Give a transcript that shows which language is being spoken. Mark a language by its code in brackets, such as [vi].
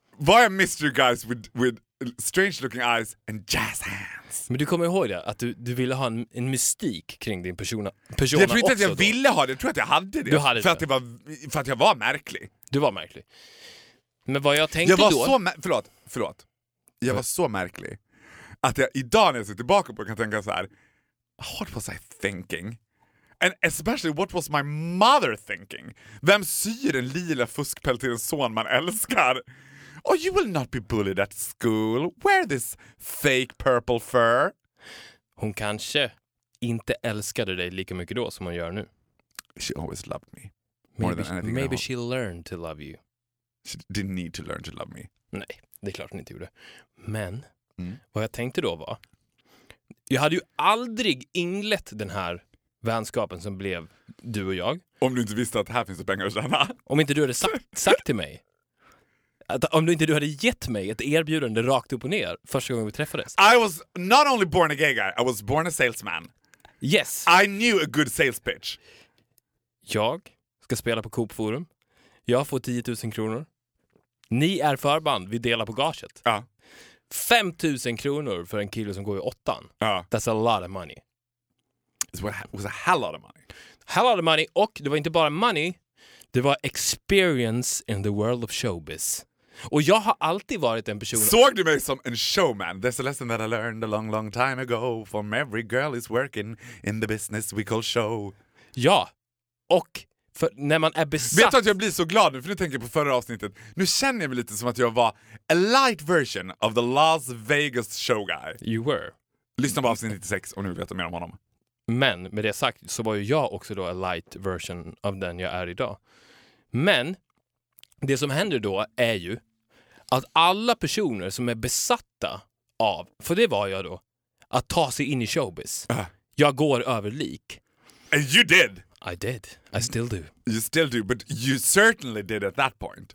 [en] Why are mystery guys with strange looking eyes and jazz hands? [sv] Men du kommer ihåg det, att du ville ha en mystik kring din persona också. Jag tror inte att jag då ville ha det, jag tror att jag hade det. Du hade för det. För att jag var märklig. Du var märklig. Men vad jag tänkte jag var då... Så förlåt. Jag var så märklig att jag idag när jag ser tillbaka på kan tänka så här: [en] what was I thinking? And especially what was my mother thinking? [sv] Vem syr en lila fuskpäll till en son man älskar? [en] Oh, you will not be bullied at school. Wear this fake purple fur. [sv] Hon kanske inte älskade dig lika mycket då som hon gör nu. [en] She always loved me. Maybe she learned to love you. She didn't need to learn to love me. [sv] Nej, det är klart hon inte gjorde. Men vad jag tänkte då var, jag hade ju aldrig inlett den här vänskapen som blev du och jag. Om du inte visste att här finns det pengar att tjäna. Om inte du hade sagt till mig. Att om du inte hade gett mig ett erbjudande rakt upp och ner första gången vi träffades. [en] I was not only born a gay guy, I was born a salesman. Yes. I knew a good sales pitch. [sv] Jag ska spela på Coop Forum. Jag får 10 000 kronor. Ni är förband, vi delar på gaget. Ja. 5 000 kronor för en kille som går i åttan. Ja. [en] That's a lot of money. It was a hell lot of money. hell out of money. [sv] Och det var inte bara [en] money, det var experience in the world of showbiz. [sv] Och jag har alltid varit en person. Såg du mig som en showman? [en] There's a lesson that I learned a long, long time ago. From every girl is working in the business we call show. [sv] Ja, och för när man är besatt. Vet du att jag blir så glad nu? För nu tänker jag på förra avsnittet. Nu känner jag mig lite som att jag var [en] a light version of the Las Vegas show guy. You were. [sv] Lyssna på avsnitt 96 och nu vet jag mer om honom. Men med det sagt så var ju jag också då [en] a light version [sv] av den jag är idag. Men det som händer då är ju att alla personer som är besatta av, för det var jag då, att ta sig in i showbiz. Jag går över lik. [en] And you did. I did. I still do. You still do, but you certainly did at that point.